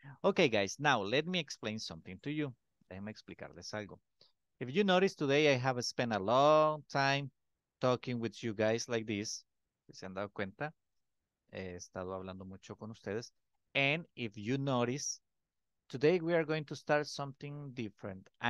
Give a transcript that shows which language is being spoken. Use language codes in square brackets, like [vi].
[en] Okay, guys, now let me explain something to you. [es] Déjame explicarles algo. [en] If you notice today, I have spent a long time talking with you guys like this. [es] Si se han dado cuenta, he estado hablando mucho con ustedes. [en] And if you notice, today we are going to start something different.